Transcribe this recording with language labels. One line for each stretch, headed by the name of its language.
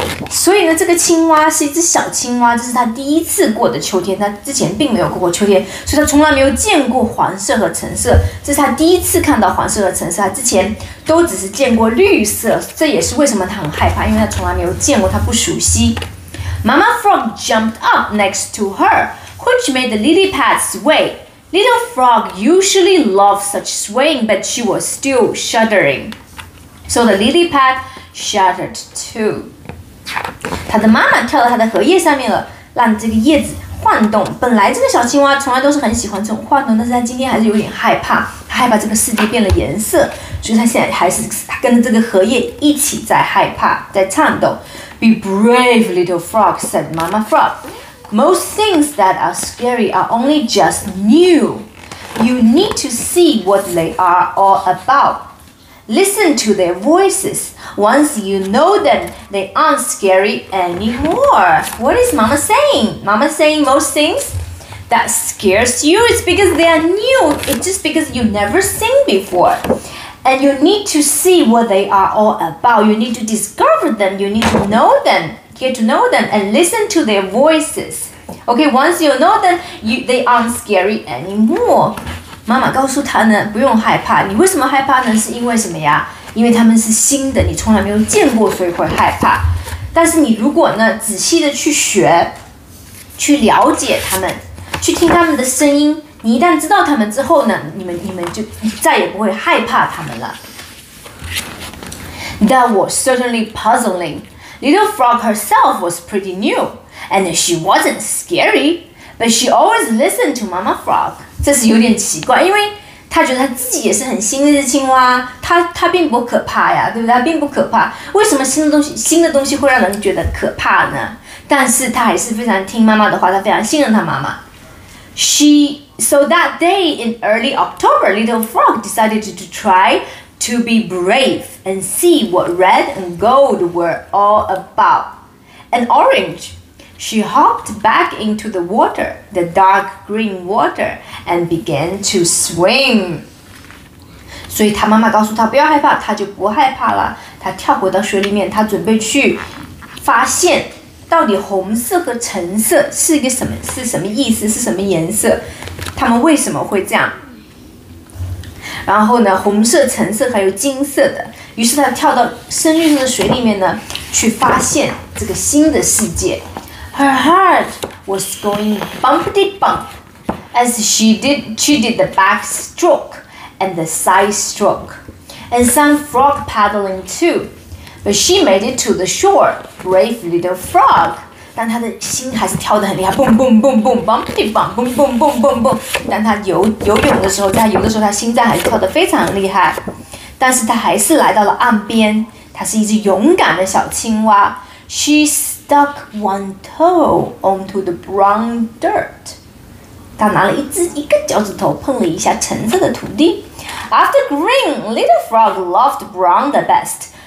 Chinese: 所以呢，这个青蛙是一只小青蛙，这是它第一次过的秋天。它之前并没有过过秋天，所以它从来没有见过黄色和橙色。这是它第一次看到黄色和橙色，它之前都只是见过绿色。这也是为什么它很害怕，因为它从来没有见过，它不熟悉。
English: Mama frog jumped up next to her, which made the lily pads sway. Little frog usually loved such swaying, but she was still shuddering. So the lily pad shuddered too.
Chinese: 她的妈妈跳到她的荷叶上面了，让这个叶子晃动。本来这个小青蛙从来都是很喜欢这种晃动，但是她今天还是有点害怕，害怕这个世界变了颜色，所以她现在还是跟着这个荷叶一起在害怕，在颤抖。
English: Be brave, little frog, said Mama Frog. Most things that are scary are only just new. You need to see what they are all about. Listen to their voices. Once you know them, they aren't scary anymore. What is Mama saying? Mama's saying most things that scares you is because they are new. It's just because you've never seen before. And you need to see what they are all about. You need to discover them. You need to know them. Get to know them and listen to their voices. Okay, once you know them, they aren't scary anymore.
Chinese: 妈妈告诉他呢，不用害怕。你为什么害怕呢？是因为什么呀？因为他们是新的，你从来没有见过，所以会害怕。但是你如果呢，仔细的去学，去了解他们，去听他们的声音，你一旦知道他们之后呢，你们就再也不会害怕他们了。
English: That was certainly puzzling. Little Frog herself was pretty new, and she wasn't scary, but she always listened to Mama Frog.
Chinese: 这是有点奇怪，因为他觉得他自己也是很新的青蛙，他并不可怕呀，对不对？他并不可怕。为什么新的东西会让人觉得可怕呢？但是他还是非常听妈妈的话，他非常信任他妈妈。
English: So that day in early October, Little Frog decided to try to be brave and see what red and gold were all about. And orange. She hopped back into the water, the dark green water, and began to swim.
Chinese: 所以她妈妈告诉她不要害怕，她就不害怕了。她跳回到水里面，她准备去发现到底红色和橙色是一个什么，是什么意思，是什么颜色，他们为什么会这样。然后呢，红色、橙色还有金色的，于是他跳到深绿色的水里面呢，去发现这个新的世界。
English: Her heart was going bumpity bump as she did the back stroke and the side stroke, and some frog paddling too. But she made it to the shore, brave little frog.
Chinese: 但她的心还是跳得很厉害 ，
English: boom boom boom boom
Chinese: bumpity bump boom boom boom boom boom。但她游泳的时候，在游的时候，她心脏还是跳得非常厉害。但是她还是来到了岸边。她是一只勇敢的小青蛙。
English: She stuck one toe onto the brown dirt.
Chinese: 他拿了一个脚趾头碰了一下橙色的土地。
English: After green, little frog loved brown the best.